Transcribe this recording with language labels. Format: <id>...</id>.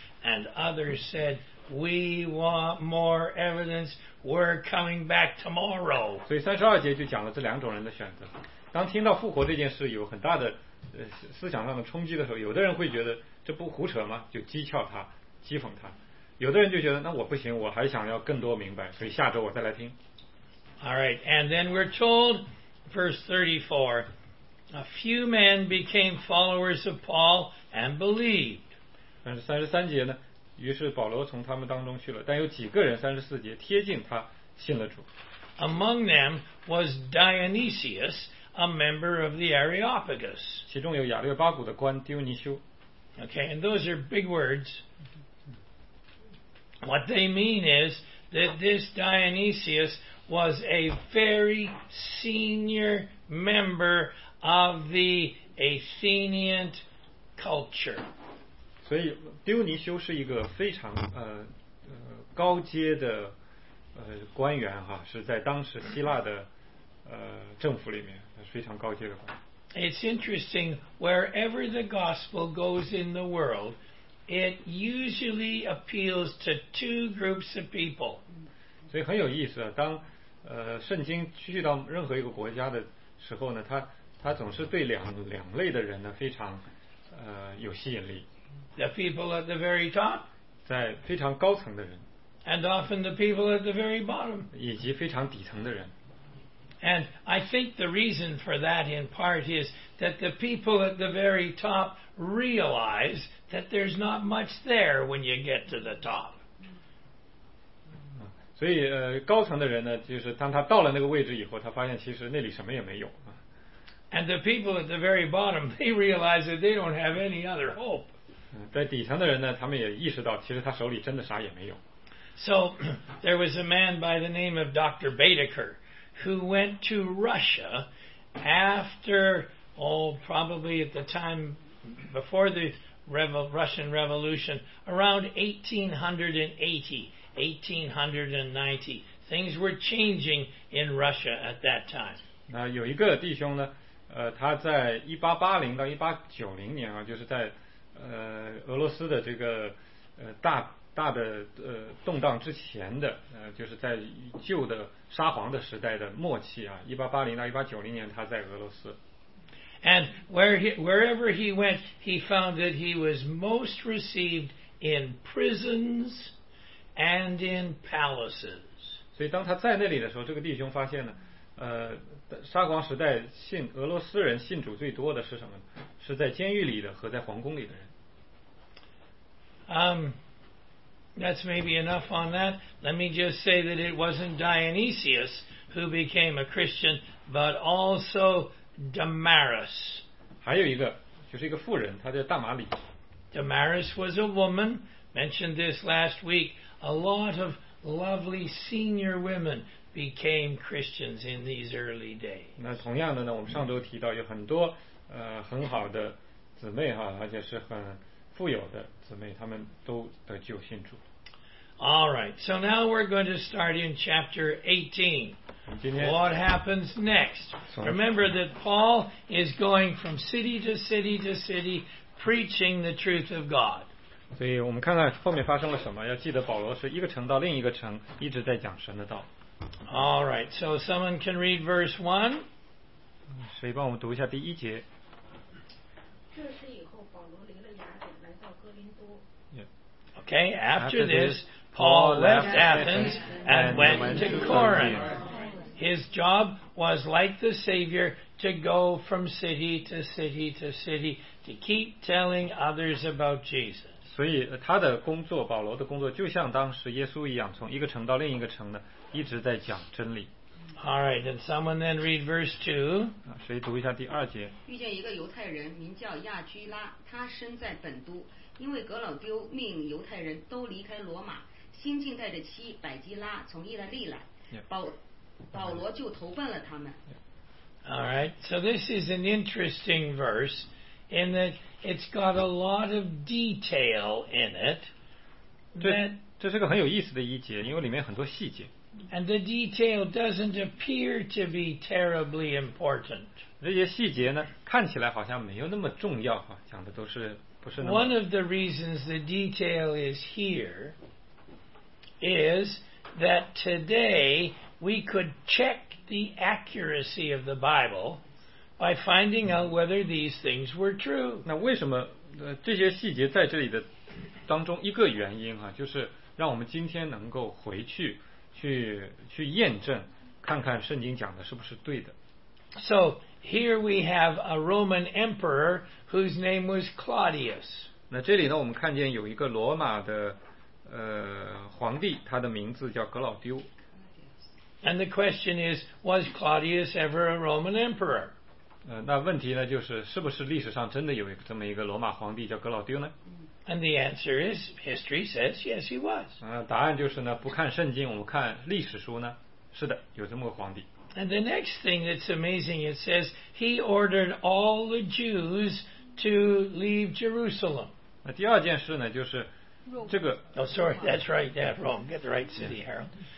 <en>And others said, we want more evidence, we're coming back tomorrow.</en> <zh>所以32节就讲了这两种人的选择。当听到复活这件事有很大的思想上的冲击的时候，有的人会觉得这不胡扯吗？就讥诮他，讥讽他。有的人就觉得那我不行，我还想要更多明白，所以下周我再来听。</zh> <en>All right, and then we're told, verse 34, a few men became followers of Paul and believed.</en> <zh>但是33节呢，于是保罗从他们当中去了，但有几个人34节贴近他信了主。</zh> <en>Among them was Dionysius, a member of the Areopagus.</en> <zh>其中有亚略巴古的官丢尼修。</zh> <en>Okay, and those are big words. What they mean is that this Dionysius was a very senior member of the Athenian culture.</en> <zh>所以丢尼修是一个非常高阶的官员哈，是在当时希腊的政府里面非常高阶的官员。</zh> <en>It's interesting, wherever the gospel goes in the world, it usually appeals to two groups of people.</en> <zh>所以很有意思啊，当圣经去到任何一个国家的时候呢，他总是对两类的人呢非常有吸引力。</zh> <en>The people at the very top，</en> <zh>在非常高层的人。</zh> <en>And often the people at the very bottom，</en> <zh>以及非常底层的人。</zh> <en>And I think the reason for that in part is that the people at the very top realize that there's not much there when you get to the top。</en> <zh>所以高层的人呢，就是当他到了那个位置以后，他发现其实那里什么也没有。</zh> <en>And the people at the very bottom, they realize that they don't have any other hope.</en> <zh>在底层的人呢，他们也意识到其实他手里真的啥也没有。</zh> <en>So there was a man by the name of Dr. Baedeker who went to Russia after, oh, probably at the time before the Russian Revolution, around 1880. 1890, things were changing in Russia at that time.</en> <zh>那有一个弟兄呢，他在1880到1890年啊，就是在俄罗斯的这个大的动荡之前的，就是在旧的沙皇的时代的末期啊，1880到1890年他在俄罗斯。</zh> <en>And wherever he went, he found that he was most received in prisons and in palaces.</en> <zh>所以当他在那里的时候，这个弟兄发现呢，沙皇时代信俄罗斯人信主最多的是什么？是在监狱里的和在皇宫里的人。</zh> <en>That's maybe enough on that. Let me just say that it wasn't Dionysius who became a Christian, but also Damaris.</en> <zh>还有一个，就是一个妇人，她叫大马里。</zh> <en>Damaris was a woman, mentioned this last week. A lot of lovely senior women became Christians in these early days.</en> <zh>那同样的呢，我们上周提到有很多很好的姊妹哈，而且是很富有的姊妹，她们都得救信主。</zh> <en>All right, so now we're going to start in chapter 18. What happens next? Remember that Paul is going from city to city to city, preaching the truth of God.</en> <zh>所以我们看看后面发生了什么，要记得保罗是一个城到另一个城，一直在讲神的道。</zh> <en>All right, so someone can read verse 1.</en> <zh>谁帮我们读一下第一节？这时以后，保罗离了雅典，来到哥林多。</zh> <en>Okay, after this, Paul left Athens and went to Corinth. His job was like the Savior to go from city to city to city to keep telling others about Jesus.</en> <zh>所以他的工作，保罗的工作就像当时耶稣一样，从一个城到另一个城呢，一直在讲真理。</zh> <en>All right, and someone then read verse 2.</en> <zh>谁读一下第二节？遇见一个犹太人名叫亚居拉，他身在本都，因为格老丢命犹太人都离开罗马，新近带着妻百基拉从意大利来。保罗就投奔了他们。</zh> <en>All right, so this is an interesting verse in that it's got a lot of detail in it.</en> <zh>这是个很有意思的一节，因为里面很多细节。</zh> <en>And the detail doesn't appear to be terribly important.</en> <zh>这些细节呢，看起来好像没有那么重要哈，讲的都是不是那么。</zh> <en>One of the reasons the detail is here is that today we could check the accuracy of the Bible by finding out whether these things were true.</en> <zh>那为什么这些细节在这里的当中一个原因哈，就是让我们今天能够回去去验证，看看圣经讲的是不是对的。</zh> <en>So here we have a Roman emperor whose name was Claudius.</en> <zh>那这里呢，我们看见有一个罗马的皇帝，他的名字叫格老丢。</zh> <en>And the question is, was Claudius ever a Roman emperor?</en> <zh>那问题呢，就是是不是历史上真的有这么一个罗马皇帝叫格老丢呢？</zh> <en>And the answer is, history says, yes, he was.</en> <zh>答案就是呢，不看圣经，我们看历史书呢，是的，有这么个皇帝。</zh> <en>And the next thing that's amazing, it says, he ordered all the Jews to leave Jerusalem.</en> <zh>那第二件事呢，就是这个。</zh> <en>Oh, sorry, that's right, yeah, Rome, get the right city, Harold.</en>